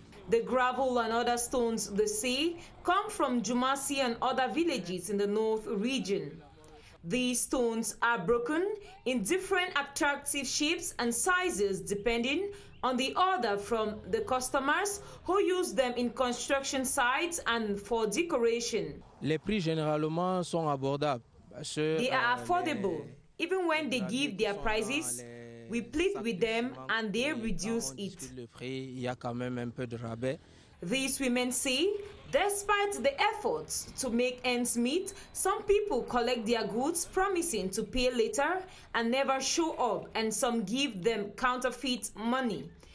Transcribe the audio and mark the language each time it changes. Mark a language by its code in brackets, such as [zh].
[en] The gravel and other stones they see come from Jumasi and other villages in the north region. These stones are broken in different attractive shapes and sizes depending on the order from the customers who use them in construction sites and for decoration. [fr] Les prix généralement sont abordables. [en] They are affordable. Even when they give their prices, we plead with them and they reduce it. These women say, despite the efforts to make ends meet, some people collect their goods promising to pay later and never show up, and some give them counterfeit money.